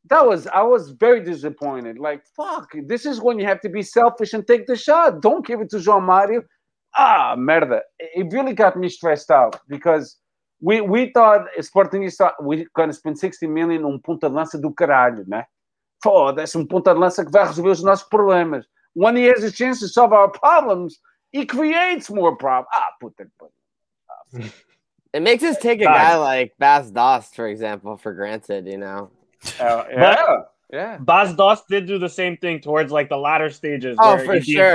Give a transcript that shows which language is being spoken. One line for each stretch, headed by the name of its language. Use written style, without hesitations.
English: I was very disappointed. Like, fuck, this is when you have to be selfish and take the shot. Don't give it to João Mário.
Portuguese: Ah, merda.
English: It really got me stressed out because we thought Sportingista, we're going to spend 60 million on
Portuguese: ponta de lança do caralho, né? Foda, esse ponta de lança que vai resolver os nossos problemas.
English: When he has a chance to solve our problems, he creates more problems.
Portuguese: Ah, puta.
English: It makes us take a guy like Bas Dost, for example, for granted, you know? Yeah. Bas Dost did do the same thing towards like the latter stages. Oh, where for he'd sure.